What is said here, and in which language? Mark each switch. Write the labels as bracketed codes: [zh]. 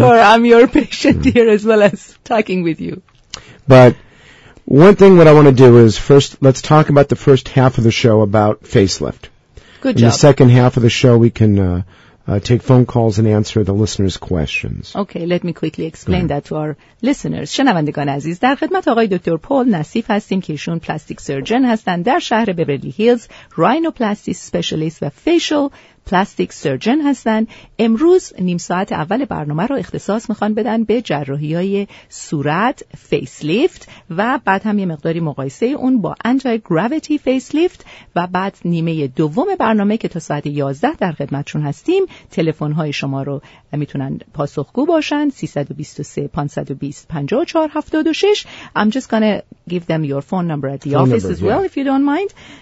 [en] Sure, I'm your patient here as well as talking with you. But one thing what I want to do is first, let's talk about the first half of the show about facelift. Good In job. In the second half of the show, we can take phone calls and answer the listeners' questions. Okay, let me quickly explain that to our listeners. [fa] شنوندگان عزیز، در خدمت آقای دکتر پل نصیف هستیم که ایشون پلاستیک سرجن هستند در شهر بیورلی هیلز، راینوپلاستی سپیشالیست و فیشل پلاستیک سرجن هستند. امروز نیم ساعت اول برنامه رو اختصاص میخوان بدن به جراحی های صورت، فیس لیفت، و بعد هم یه مقداری مقایسه اون با انتی گراویتی فیس لیفت، و بعد نیمه دوم برنامه که تا ساعت 11 در خدمتشون هستیم، تلفن های شما رو میتونن پاسخگو باشن. 323-520-5476. [en] I'm just gonna give them your phone number at the office as well, if you don't mind.